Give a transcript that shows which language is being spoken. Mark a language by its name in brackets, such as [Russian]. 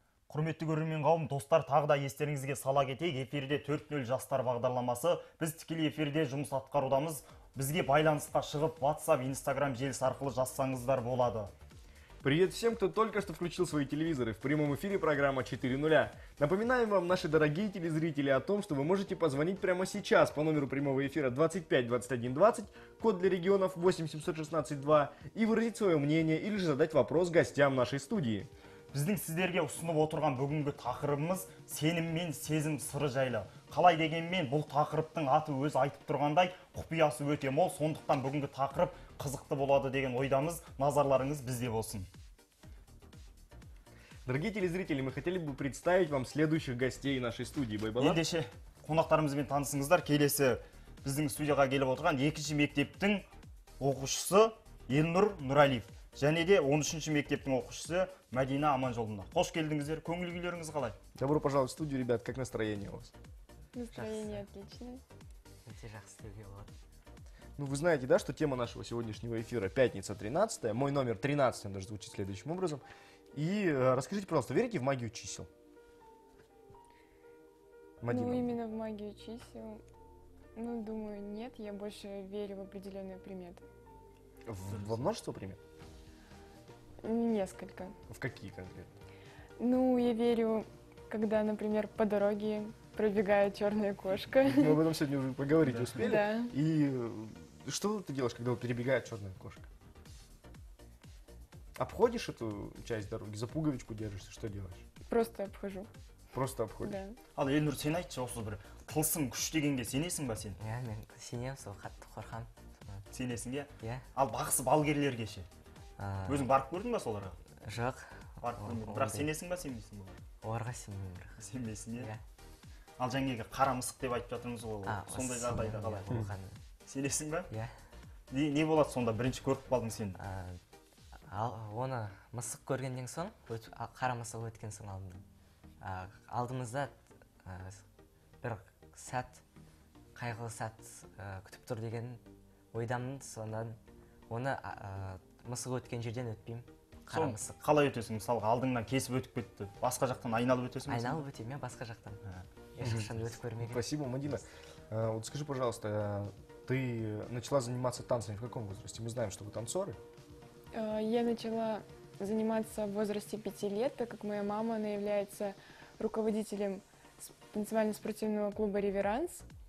[Kazakh] Құрметті көрермен қауым, достар, тағы да естеріңізге сала кетейік. Эфирде 4.0 жастар бағдарламасы. Біз тікелей эфирде жұмыс атқарудамыз. Бізге байланысқа шығып, WhatsApp, Instagram желісі арқылы жазсаңыздар болады. [Russian] Привет всем, кто только что включил свои телевизоры. В прямом эфире программа 4.0. Напоминаем вам, наши дорогие телезрители, о том, что вы можете позвонить прямо сейчас по номеру прямого эфира 252120, код для регионов 8716-2, и выразить свое мнение или же задать вопрос гостям нашей студии. [Kazakh] Біздің сіздерге ұсынып отырған бүгінгі тақырыбымыз сенім мен сезім сыры жайлы. Қалай дегенмен бұл тақырыптың аты өз айтып тұрғандай, құпиясы өте мол, сондықтан бүгінгі тақырып қызықты болады деген ойдамыз, назарларыңыз бізде болсын. [Russian] Дорогие телезрители, мы хотели бы представить вам следующих гостей нашей студии, байбалар. [Kazakh] Ендеше, қонақтарымызбен танысыңыздар, келесі біздің студияға келіп отырған екінші мектептің оқушысы Елнұр Нұралиев. Және де 13-ші мектептің оқушысы Мәдина Аманжолдына. Қош келдіңіздер, көңіл-күйлеріңіз қалай? [Russian] Добро пожаловать в студию, ребят, как настроение у вас? Настроение отличное. [Kazakh] Өте жақсы деп ойлаймын. [Russian] Ну, вы знаете, да, что тема нашего сегодняшнего эфира «Пятница 13-я», мой номер 13, он даже звучит следующим образом. И расскажите, пожалуйста, верите в магию чисел? Мадина. Ну, именно в магию чисел, ну, думаю, нет, я больше верю в определенные приметы. Во множество примет? Несколько. В какие конкретно? Ну, я верю, когда, например, по дороге пробегает черная кошка. Мы об этом сегодня уже поговорить успели. Да. И что ты делаешь, когда перебегает черная кошка? Обходишь эту часть дороги, за пуговичку держишься, что делаешь? Просто обхожу. Просто обходишь? Да. [Kazakh] Ал, Елнұр, сен айтшы, осы бір тылсым күштегенге сенесің ба сен? Я, мен сенемін, сол қатты қорқам. Сенесің, иә? Иә. Ал бақсы балгерлерге ше? Өзің барып көрдің ба соларға? Жоқ. Барып көрдің. Бірақ сенесің ба, сенбейсің ба? Оларға сенбеймін бірақ. Сенбейсің, иә? Ал жаңағы қара мысық деп айтып жатырмыз ғой, сондай жағдайда қалай болғаны? Сенесің ба? Иә. Не болады сонда, бірінші көріп қалдың сен? Оны мысық көргеннен соң, қара мысық өткен соң алдым. Алдымызда бір сәт, қайғылы сәт күтіп тұр деген ойдамын, сонда оны мысық өткен жерден өтпеймін. Қара мысық. Қалай өтесің? Мысалы, алдыңнан кесіп өтіп кетті. Басқа жақтан айналып өтесің? Айналып өтемін, басқа жақтан. Ешқашан өтіп көрмеген. [Russian] Спасибо, Мадина. Вот скажи, пожалуйста, ты начала заниматься танцами в каком возрасте? Мы знаем, что вы танцоры. Я начала заниматься в возрасте 5 лет, так как моя мама, она является руководителем танцевально-спортивного клуба «Реверанс».